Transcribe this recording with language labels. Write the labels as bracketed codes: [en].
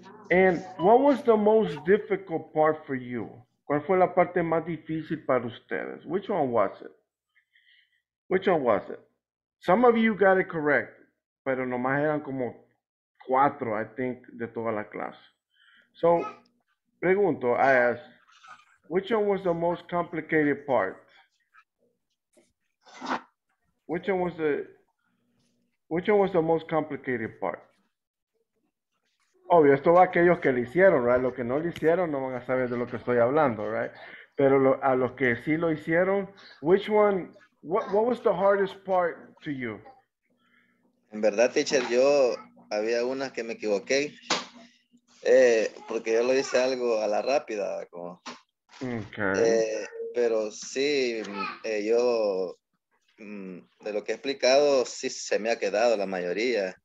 [en] And what was the most difficult part for you? [es] ¿Cuál fue la parte más difícil para ustedes? [en] Which one was it? Which one was it? Some of you got it correct, [es] pero nomás eran como cuatro, I think, de toda la clase. [en] So, [es] pregunto, [en] I ask, which one was the most complicated part? Which one was the most complicated part? [es] Obvio, esto va a aquellos que le hicieron, [en] right? [es] Los que no le hicieron no van a saber de lo que estoy hablando, [en] right? [es] Pero a los que sí lo hicieron, [en] which one, what was the hardest part to you? [es] En verdad, teacher, yo había una que me equivoqué, porque yo lo hice algo a la rápida, como. [en] Okay. [es] Pero sí, yo, de lo que he explicado, sí se me ha quedado la mayoría.